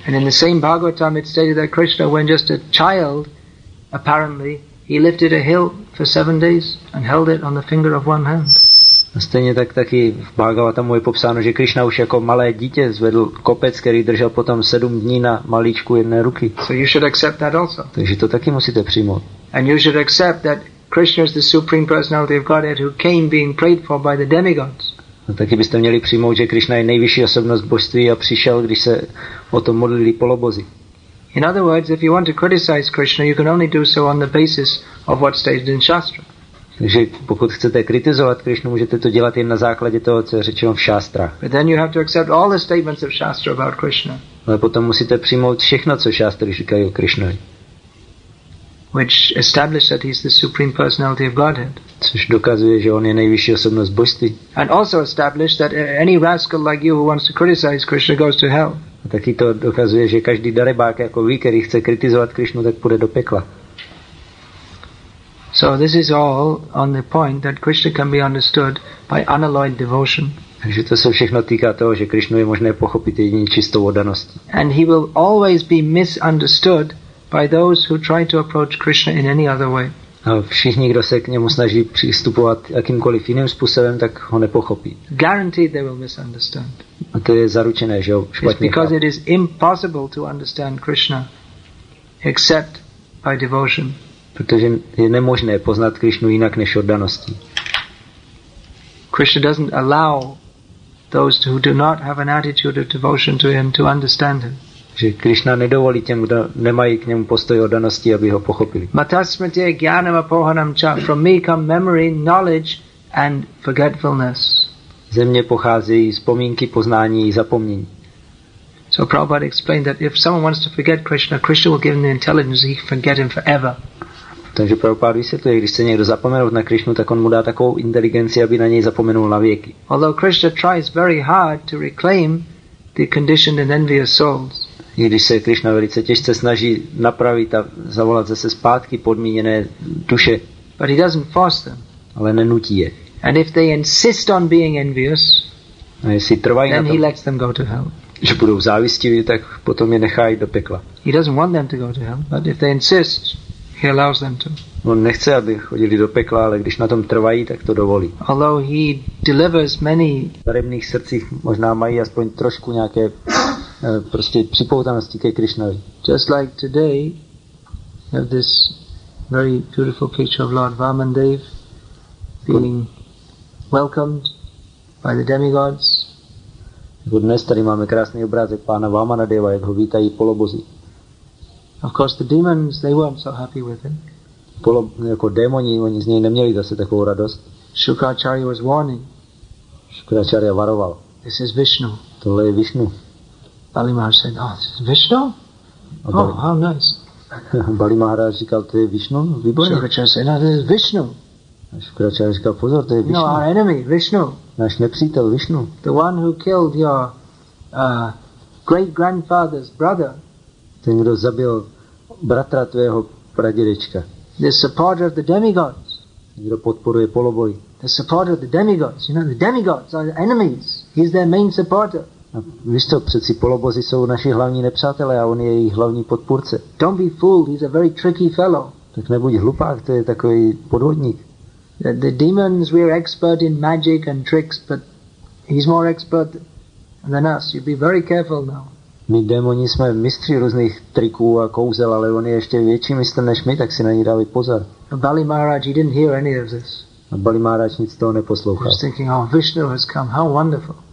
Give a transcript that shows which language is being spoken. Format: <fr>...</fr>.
<en>And in the same Bhagavatam, it's stated that Krishna, when just a child, apparently, he lifted a hill for 7 days and held it on the finger of one hand.</en> <cs>Stejně tak taky v Bhagavatamu je popsáno, že Krishna už jako malé dítě zvedl kopec, který držel potom 7 dní na malíčku jedné ruky.</cs> <en>So you should accept that also.</en> <cs>Takže to taky musíte přijmout.</cs> <en>And you should accept that Krishna is the supreme personality of Godhead who came being prayed for by the demigods.</en> <cs>A taky byste měli přijmout, že Krishna je nejvyšší osobnost božství a přišel, když se o to modlili polobozy.</cs> <en>In other words, if you want to criticize Krishna, you can only do so on the basis of what's stated in Shastra.</en> <cs>Takže pokud chcete kritizovat Krishnu, můžete to dělat jen na základě toho, co je řečeno v Shastrách.</cs> <en>But then you have to accept all the statements of Shastra about Krishna.</en> <cs>Ale potom musíte přijmout všechno, co Shastry říkají o Krishnovi.</cs> <en>Which establishes that he's the supreme personality of Godhead.</en> <cs>Což dokazuje, že on je nejvyšší osobnost božství.</cs> <en>And also establish that any rascal like you who wants to criticize Krishna goes to hell.</en> <cs>A taky to dokazuje, že každý darebák jako vy, který chce kritizovat Krishnu, tak půjde do pekla.</cs> <en>So this is all on the point that Krishna can be understood by unalloyed devotion.</en> <cs>Takže to se všechno týká toho, že Krishnu je možné pochopit jedině čistou oddaností.</cs> <en>And he will always be misunderstood by those who try to approach Krishna in any other way.</en> <cs>A všichni, kdo se k němu snaží přistupovat jakýmkoliv jiným způsobem, tak ho nepochopí.</cs> <en>Guaranteed they will misunderstand.</en> <cs>A to je zaručené, že ho špatně chápu.</cs> <en>It's because it is impossible to understand Krishna except by devotion.</en> <cs>Protože je nemožné poznat Krishnu jinak než oddaností.</cs> <en>Krishna doesn't allow those who do not have an attitude of devotion to him to understand him.</en> <cs>Že Krishna nedovolí těm, kdo nemají k němu postoj oddanosti, aby ho pochopili.</cs> <sa>Matasmrtye jnanam apohanam cha.</sa> <en>From me come memory, knowledge and forgetfulness.</en> <cs>Ze mě pocházejí vzpomínky, poznání i zapomnění.</cs> <en>So Prabhupada explained that if someone wants to forget Krishna, Krishna will give him the intelligence he can forget him forever.</en> <cs>Takže Prabhupada vysvětluje, když se někdo zapomenout na Krishnu, tak on mu dá takovou inteligenci, aby na něj zapomenul na věky.</cs> <en>Although Krishna tries very hard to reclaim the conditioned and envious souls.</en> <cs>I když se Krishna velice těžce snaží napravit a zavolat zase zpátky podmíněné duše.</cs> <en>But he doesn't force them.</en> <cs>Ale nenutí je.</cs> <en>And if they insist on being envious,</en> <cs>a jestli trvají</cs> <en>then</en> <cs>na tom,</cs> <en>he lets them go to hell.</en> <cs>Že budou závistiví, tak potom je nechají do pekla.</cs> <en>He doesn't want them to go to hell, but if they insist, He allows them to.</en> <cs>On nechce, aby chodili do pekla, ale když na tom trvají, tak to dovolí.</cs> <en>Although he delivers many.</en> <cs>V daremných srdcích možná mají aspoň trošku nějaké prostě připoutanosti ke Krišnovi.</cs> <en>Just like today, we have this very beautiful picture of Lord Vamandev being welcomed by the demigods.</en> <cs>Dnes tady máme krásný obrázek pána Vamanadeva, jak ho vítají polobozy.</cs> <en>Of course, the demons, they weren't so happy with him.</en> <cs>Jako démoni, oni z něj neměli zase takovou radost.</cs> <en>Shukracharya was warning.</en> <cs>Shukracharya varoval.</cs> <en>This is Vishnu.</en> <cs>Tohle je Vishnu.</cs> <en>Bali Maharaj said, oh, this is Vishnu? Oh, how nice.</en> <cs>Bali Maharaj říkal, to je Vishnu? Výborně.</cs> <en>Shukracharya said, no, this is Vishnu.</en> <cs>Shukracharya říkal, pozor, to je Vishnu.</cs> <en>No, our enemy, Vishnu.</en> <cs>Náš nepřítel, Vishnu.</cs> <en>The one who killed your great-grandfather's brother.</en> <cs>Ten, kdo zabil bratra tvého pradědečka.</cs> <en>The supporter of the demigods.</en> <cs>Kdo podporuje poloboj.</cs> <en>The supporter of the demigods. You know, the demigods are the enemies. He's their main supporter.</en> <cs>A víš to, přeci polobozy jsou naši hlavní nepřátelé a on je jejich hlavní podpůrce.</cs> <en>Don't be fooled, he's a very tricky fellow.</en> <cs>Tak nebuď hlupák, to je takový podvodník.</cs> <en>The demons, we are expert in magic and tricks, but he's more expert than us. You be very careful now.</en> <cs>My démoni jsme mistři různých triků a kouzel, ale on je ještě větší mistr než my, tak si na ní dali pozor.</cs> <en>A Bali Maharaj, he didn't hear any of this.</en> <cs>A Bali Maharaj nic toho neposlouchal.</cs> <en>He was thinking, oh, Vishnu has come, how wonderful.</en>